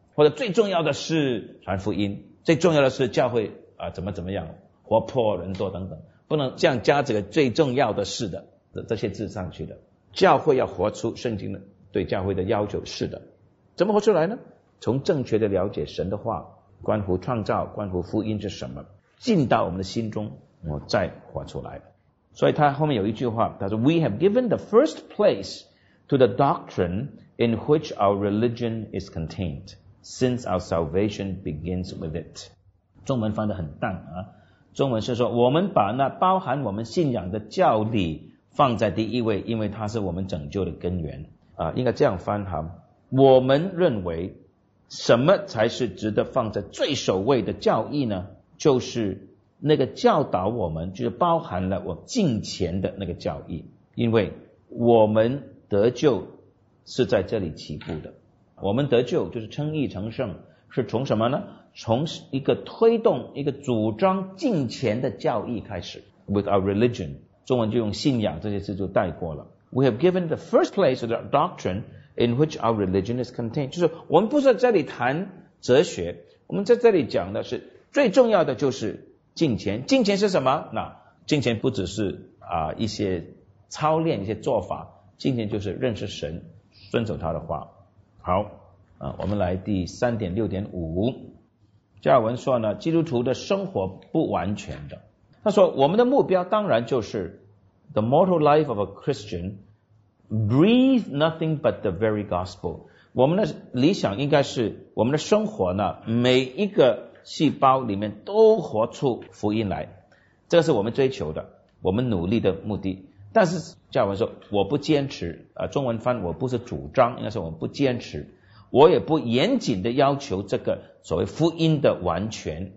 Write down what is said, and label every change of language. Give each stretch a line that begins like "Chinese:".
Chinese: 或者最重要的是传福音，最重要的是教会啊，怎么怎么样活泼人多等等，不能这样加这个最重要的是的这些字上去的。教会要活出圣经的对教会的要求，是的。怎么活出来呢？从正确的了解神的话，关乎创造，关乎福音是什么，进到我们的心中，我再活出来。
English: 所以他后面有一句话，他说 We have given the first place to the doctrine in which our religion is contained since our salvation begins with it。
Chinese: 中文翻得很淡啊，中文是说我们把那包含我们信仰的教理放在第一位，因为它是我们拯救的根源啊，应该这样翻哈。我们认为什么才是值得放在最首位的教义呢？就是那个教导我们，就是包含了我敬虔的那个教义，因为我们得救是在这里起步的。我们得救就是称义成圣，是从什么呢？从一个推动一个主张敬虔的教义开始。 With our religion，中文就用信仰这些字就带过了。
English: We have given the first place of the doctrine in which our religion is contained。
Chinese: 就是我们不是在这里谈哲学，我们在这里讲的是最重要的就是敬虔。敬虔是什么？那敬虔不只是一些操练一些做法，敬虔就是认识神，遵守他的话。好我们来第 3.6.5。加尔文说呢，基督徒的生活不完全的。
English: 他说我们的目标当然就是 The mortal life of a Christian breathe nothing but the very gospel。
Chinese: 我们的理想应该是我们的生活呢，每一个细胞里面都活出福音来，这是我们追求的，我们努力的目的。但是加尔文说我不坚持中文翻我不是主张，应该是我们不坚持，我也不严谨的要求这个所谓福音的完全。